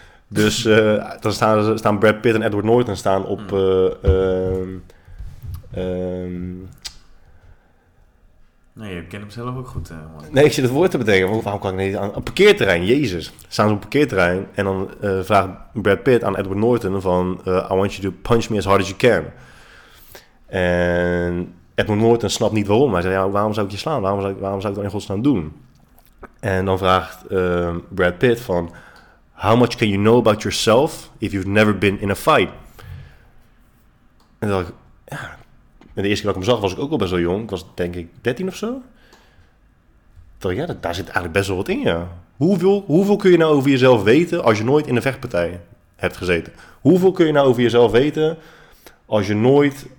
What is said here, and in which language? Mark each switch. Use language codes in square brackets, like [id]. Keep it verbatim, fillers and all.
[nl] Dus uh, dan staan, staan Brad Pitt en Edward Norton staan op... Uh, um, um... Nee, je kent hem zelf ook goed. Uh, nee, ik zit het woord te bedenken. Waarom kan ik niet aan... Een parkeerterrein, jezus. Staan ze op een parkeerterrein en dan uh, vraagt Brad Pitt aan Edward Norton van... [en] Uh, I want you to punch me as hard as you can. [nl] En... Edmund Norton snapt niet waarom. Hij zei, ja, waarom zou ik je slaan? Waarom zou ik, waarom zou ik dat in godsnaam doen? En dan vraagt uh, Brad Pitt van... [en] How much can you know about yourself if you've never been in a fight? [nl] En dan dacht ik... Ja. En de eerste keer dat ik hem zag was ik ook al best wel jong. Ik was denk ik dertien of zo. Toen dacht ik, ja, dat, daar zit eigenlijk best wel wat in, ja. Hoeveel, hoeveel kun je nou over jezelf weten als je nooit in een vechtpartij hebt gezeten? Hoeveel kun je nou over jezelf weten als je nooit...